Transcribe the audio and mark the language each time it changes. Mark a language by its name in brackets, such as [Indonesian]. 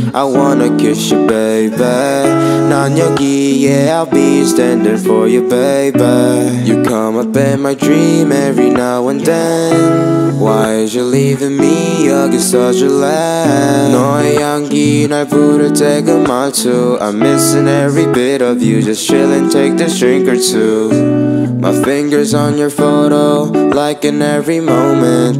[English] I wanna kiss you, baby. [Korean] 난 여기, [English] yeah, I'll be standing for you, baby. You come up in my dream every now and then. Why is you leaving me? [Korean] 여기 [English] such a land. [Korean] 너의 향기 날 부를 때가 많죠. [English] I'm missing every bit of you. Just chillin', take this drink or two. My fingers on your photo, like in every moment.